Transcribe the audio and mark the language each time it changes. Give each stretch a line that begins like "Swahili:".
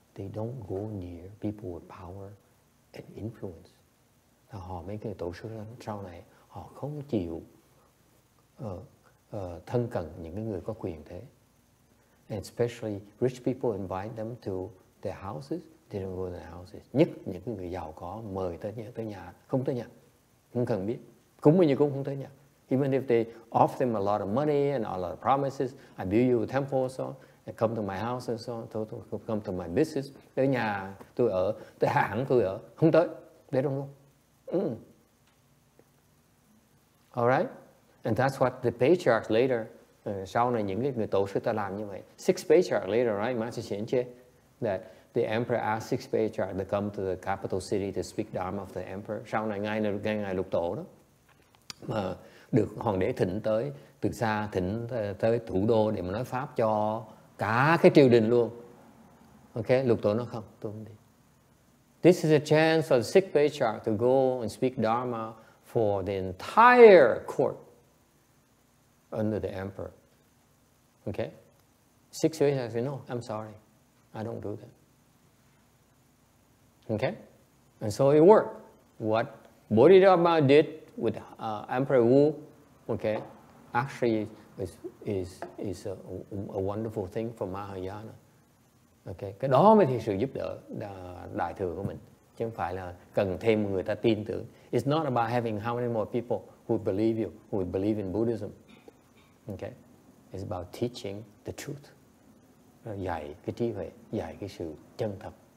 English: They don't go near people with power and influence.
Vietnamese: Họ mấy cái tổ sư sau này, họ không chịu thân cận những cái người có quyền thế.
English: And especially rich people invite them to their houses, they don't go to their houses.
Vietnamese: Nhất những cái người giàu có mời tới nhà, không tới nhà, không cần biết, cũng như cũng không tới nhà.
English: Even if they offer them a lot of money and a lot of promises, I build you a temple, so I come to my house and so on, come to my business,
Vietnamese: tới nhà tôi ở, tới hãng tôi ở, không tới,
English: they don't go. All right? And that's what the patriarch later,
Vietnamese: sau này những cái người tổ sư ta làm như vậy.
English: Six patriarch later, right? Master Xian Che, that the emperor asked six patriarch to come to the capital city to speak dharma of the emperor.
Vietnamese: Sau này ngay ngày lục tổ đó, mà được hoàng đế thỉnh tới từ xa, thỉnh tới thủ đô để mà nói pháp cho cả cái triều đình luôn. Ok, lục tổ nó không, tôi không đi.
English: This is a chance for the six patriarch to go and speak dharma for the entire court under the emperor. Okay? Six years, I say, no, I'm sorry. I don't do that. Okay? And so it worked. What Bodhidharma did with Emperor Wu, okay, actually is a wonderful thing for Mahayana. Okay?
Vietnamese: Cái đó mới thực sự giúp đỡ đại thừa của mình. Chứ không phải là cần thêm người ta tin tưởng.
English: It's not about having how many more people who believe you, who believe in Buddhism. Okay, it's about teaching the truth.
Vietnamese: Dạy cái trí huệ, dạy cái sự chân thật.